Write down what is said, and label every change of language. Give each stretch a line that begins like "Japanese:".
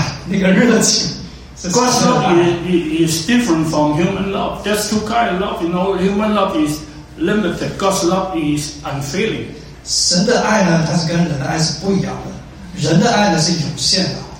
Chinese: 这个圣经里面，这个雅歌里面，他是讲到那个爱呢，神呢，他要表达他那个强烈的爱呢，所以用了里面这样一种比喻性的一个说法。那当肯刚刚用的那个词，就说这种，就是好像说沸腾的那个爱，那个热情。God's
English: love is different from human love. That's two kinds of love. You know, human love is limited. God's love is unfailing.
Chinese: 神的爱呢，它是跟人的爱是不一样的。人的爱呢是有限的。